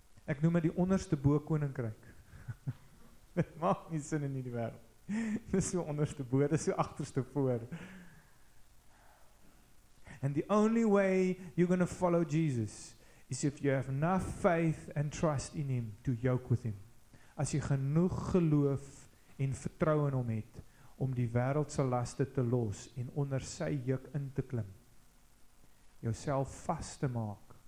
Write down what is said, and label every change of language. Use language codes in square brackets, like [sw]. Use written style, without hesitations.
[af] Ek noem het die onderste bo koninkryk. Dit maak nie sin in die wêreld. Dis so onderste bo, dis so agterste voor. [en] And the only way you're going to follow Jesus is if you have enough faith and trust in him to yoke with him. [af] As jy genoeg geloof en vertrou in hom het om die wêreldse laste te los en onder sy juk in te klim. Jouself vas te maak.